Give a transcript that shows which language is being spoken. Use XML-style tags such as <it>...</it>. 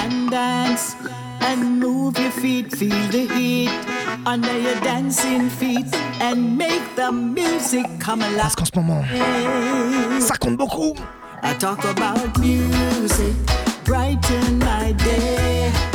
<en>And dance and move your feet. Feel the heat under your dancing feet. And make the music come alive.</en> <fr>Parce qu'en ce moment, ça compte beaucoup.</fr> <en>I talk about music, brighten my day.</en>